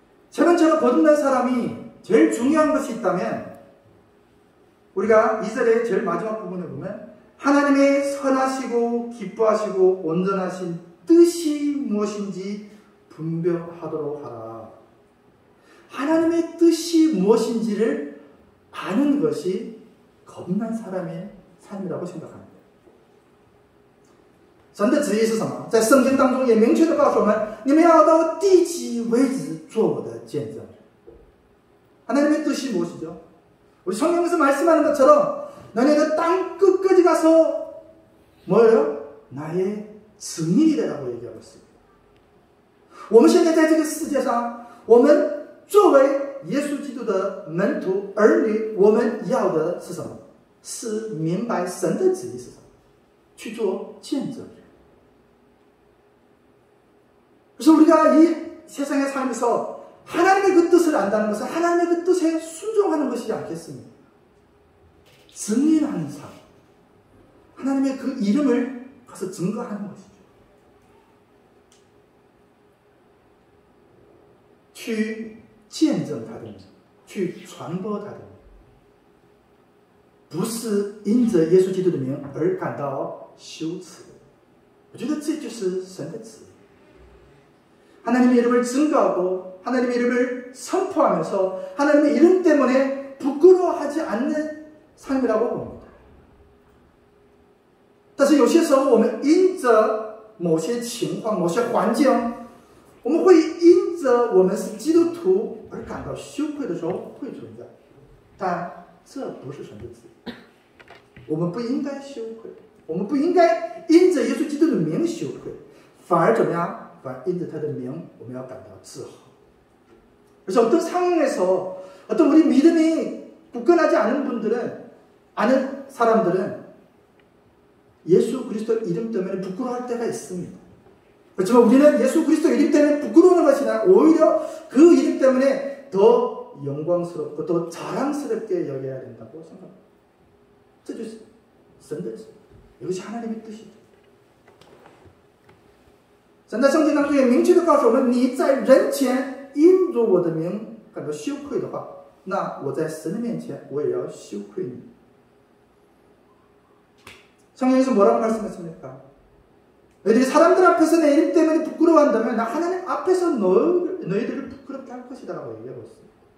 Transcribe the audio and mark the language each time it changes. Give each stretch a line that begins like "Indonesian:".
Chinese: 存钱和十月的旨意，就是说，重生的人要明白神的旨意是什么。
Korean: 처럼 거듭난 사람이 제일 중요한 것이 있다면, 우리가 이사야의 제일 마지막 부분에 보면 하나님의 선하시고 기뻐하시고 온전하신 뜻이 무엇인지 분별하도록 하라. 하나님의 뜻이 무엇인지를 아는 것이 겁난 사람의 삶이라고 생각합니다.
Chinese: 神的旨意是什么?在圣经当中也明确地告诉我们,你们要到地极为止做我的见证。
Korean: 하나님의 뜻이 무엇이죠? 우리 성경에서 말씀하는 것처럼 너네가 땅 끝까지 가서 뭐예요? 나의 증인이 되라고 얘기하고 있습니다.
Chinese: 我们现在在这个世界上，我们作为耶稣基督的门徒儿女，我们要的是什么？是明白神的旨意是什么，去做见证人。
Korean: 그래서 우리가 이 세상에 살면서 하나님의 그 뜻을 안다는 것은 하나님의 그 뜻에 순종하는 것이지 않겠습니까? 증인하는 삶, 하나님의 그 이름을 가서 증거하는 것이죠.
Chinese: 去 见证他的名, 去 传播他的名, 不是因着耶稣基督的名而感到羞耻。我觉得这就是神的旨意。
Korean: 하나님의 이름을 증거하고 하나님의 이름을 선포하면서 하나님의 이름 때문에 부끄러워하지 않는 삶이라고 봅니다. 다시
Chinese: 有些时候我们因着某些情况某些环境我们会因着我们是基督徒而感到羞愧的时候会存在但这不是神的旨意我们不应该羞愧我们不应该因着耶稣基督的名羞愧反而怎么样 反而因着他的名，我们要感到自豪。
Korean: 그래서 어떤 상황에서 어떤 우리 믿음이 굳건하지 않은 분들은 아는 사람들은 예수 그리스도 이름 때문에 부끄러워할 때가 있습니다. 그렇지만 우리는 예수 그리스도 이름 때문에 부끄러워하는 것이 아니라 오히려 그 이름 때문에 더 영광스럽고 더 자랑스럽게 여겨야 된다고 생각합니다. 이것이 하나님의 뜻이죠.
Chinese: 神在圣经当中也明确地告诉我们，你在人前因着我的名感到羞愧的话，那我在神的面前我也要羞愧你。
Korean: 성경에서 뭐라고 말씀했습니까? 너희들이 사람들 앞에서 내 이름 때문에 부끄러워한다면 나 하나님 앞에서 너희들을 부끄럽게 할 것이다 라고 얘기하고 있습니다.